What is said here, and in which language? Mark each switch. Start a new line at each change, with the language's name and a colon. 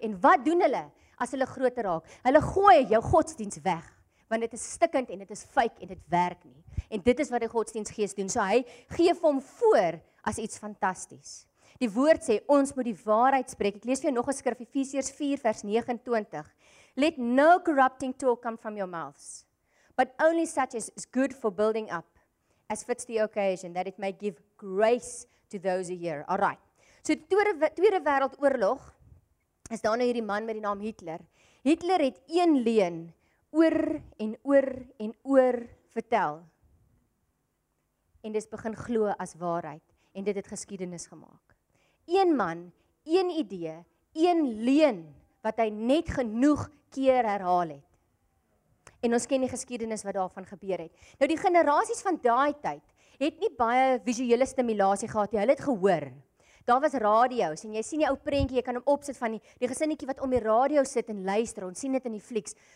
Afrikaans: En wat doen hulle as hulle groter raak? Hulle gooi jou godsdiens weg, want dit is stikkend en dit is fake en dit werk nie. En dit is wat die godsdiensgees doen. So hy gee hom voor as iets fantasties. Die woord sê ons moet die waarheid spreek. Ek lees vir jou nog 'n skrif, Efesiërs 4 vers 29.
English: Let no corrupting talk come from your mouths, but only such as is good for building up, as fits the occasion, that it may give grace to those who hear. All right.
Afrikaans: So die Tweede Wêreldoorlog is daar nou hierdie man met die naam Hitler. Hitler het een leuen oor en oor en oor vertel. En dis begin glo as waarheid en dit het geskiedenis gemaak. Een man, een idee, een leuen wat hy net genoeg keer herhaal het. En ons ken die geskiedenis wat daarvan gebeur het. Nou die generasies van daai tyd het nie baie visuele stimulasie gehad nie. Hulle het gehoor. Daar was radio's en jy sien die ou prentjie, jy kan hom opsit van die gesinnetjie wat om die radio sit en luister. Ons sien dit in die flieks.